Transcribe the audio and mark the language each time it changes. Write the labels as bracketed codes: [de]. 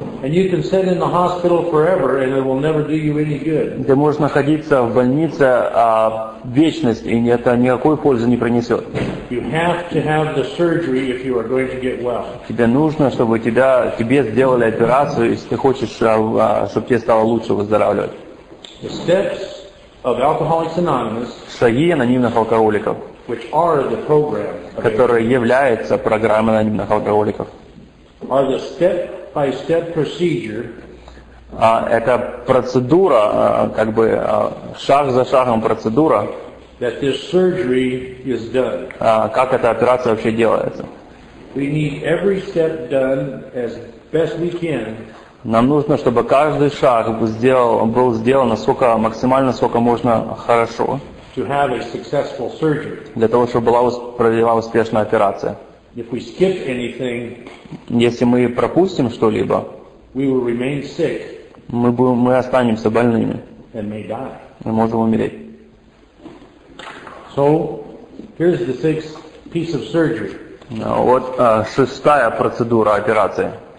[en] And you can sit in the hospital forever, and it will never do you any good. [ru] Ты можешь находиться в больнице вечность, и это никакой пользы не принесет. [en] You have to have the surgery if you are going to get well. [ru] Тебе нужно, чтобы тебе сделали операцию, если ты хочешь, чтобы тебе стало лучше выздоравливать. [en] The steps of Alcoholics Anonymous. [ru] Шаги анонимных алкоголиков. [en] Which are the program. [ru] Которые являются программой анонимных алкоголиков. [en] Are the step-by-step procedure. [ru] Это процедура, шаг за шагом процедура. [en] That this surgery is done. [ru] Как эта операция вообще делается? [en] We need every step done as best we can. [ru] Нам нужно, чтобы каждый шаг был сделан насколько можно хорошо. [en] To have a successful surgery. [ru] Для того, чтобы провела успешная операция. [en] If we skip anything, [ru] если мы пропустим что-либо, [en] we will remain sick, [ru] мы останемся больными, [en] and may die. [ru] Мы можем умереть. [en] So, here's the sixth piece of surgery. [ru] Вот шестая процедура операции.